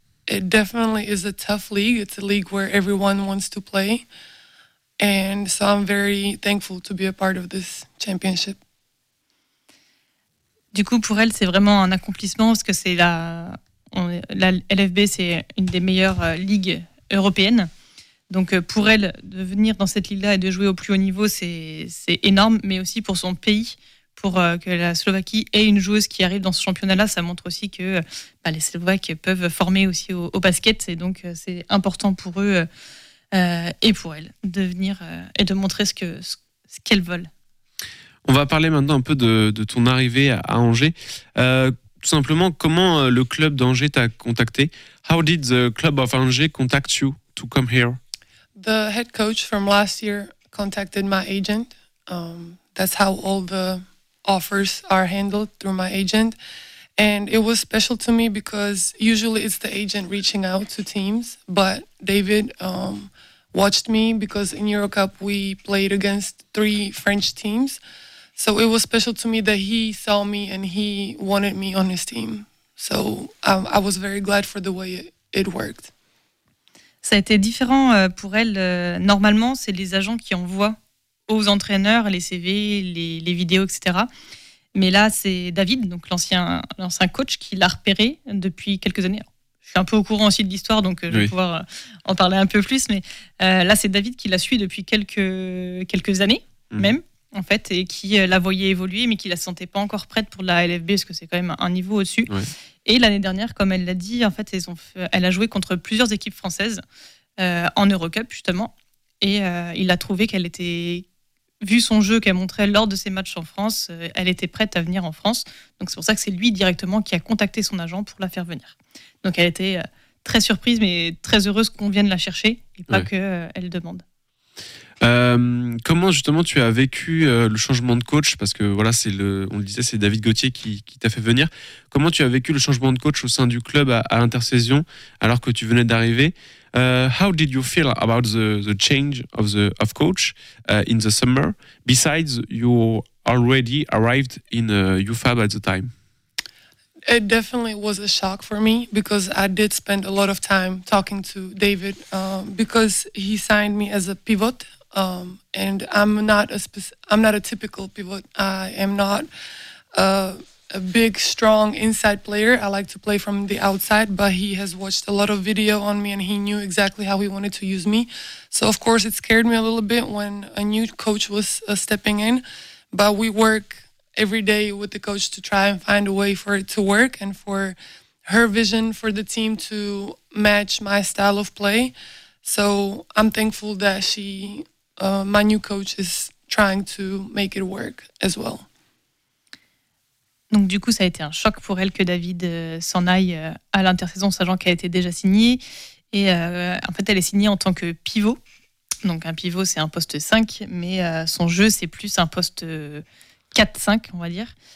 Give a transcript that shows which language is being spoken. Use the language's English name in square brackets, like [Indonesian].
[English] It definitely is a tough league. It's a league where everyone wants to play. And so I'm very thankful to be a part of this championship. [French] Du coup, pour elle, c'est vraiment un accomplissement parce que c'est la LFB, c'est une des meilleures ligues européennes. Donc pour elle, de venir dans cette ligue-là et de jouer au plus haut niveau, c'est énorme, mais aussi pour son pays. Pour que la Slovaquie ait une joueuse qui arrive dans ce championnat-là, ça montre aussi que les Slovaques peuvent former aussi au basket. Et donc, c'est important pour eux et pour elles de venir et de montrer ce qu'elles veulent. On va parler maintenant un peu de ton arrivée à Angers. Tout simplement, comment le club d'Angers t'a contacté? [English] How did the club of Angers contact you to come here? The head coach from last year contacted my agent. That's how all the offers are handled through my agent, and it was special to me because usually it's the agent reaching out to teams, but David watched me because in Eurocup we played against 3 French teams, so it was special to me that he saw me and he wanted me on his team, so I was very glad for the way it worked. [French] Ça a été différent pour elle. Normalement c'est les agents qui envoient aux entraîneurs, les CV, les vidéos, etc. Mais là, c'est David, donc l'ancien coach, qui l'a repéré depuis quelques années. Alors, je suis un peu au courant aussi de l'histoire, donc je vais pouvoir en parler un peu plus. Mais là, c'est David qui la suit depuis quelques années, même, en fait, et qui la voyait évoluer, mais qui la sentait pas encore prête pour la LFB, parce que c'est quand même un niveau au-dessus. Ouais. Et l'année dernière, comme elle l'a dit, en fait, elle a joué contre plusieurs équipes françaises en Eurocup, justement. Et il a trouvé qu'elle était, vu son jeu qu'elle montrait lors de ses matchs en France, elle était prête à venir en France. Donc c'est pour ça que c'est lui directement qui a contacté son agent pour la faire venir. Donc elle était très surprise, mais très heureuse qu'on vienne la chercher et pas qu'elle demande. Comment justement tu as vécu le changement de coach? Parce que voilà, on le disait, c'est David Gauthier qui t'a fait venir. Comment tu as vécu le changement de coach au sein du club à l'intersaison alors que tu venais d'arriver? [English] How did you feel about the change of the coach in the summer? Besides, you already arrived in UFAB at the time. It definitely was a shock for me because I did spend a lot of time talking to David because he signed me as a pivot, and I'm not a typical pivot. I am not a big, strong inside player. I like to play from the outside, but he has watched a lot of video on me and he knew exactly how he wanted to use me. So, of course, it scared me a little bit when a new coach was stepping in, but we work every day with the coach to try and find a way for it to work and for her vision for the team to match my style of play. So I'm thankful that she, my new coach, is trying to make it work as well. [French] Donc du coup, ça a été un choc pour elle que David s'en aille à l'intersaison, sachant qu'elle était déjà signée. Et en fait, elle est signée en tant que pivot. Donc un pivot, c'est un poste 5, mais son jeu, c'est plus un poste 4-5, on va dire.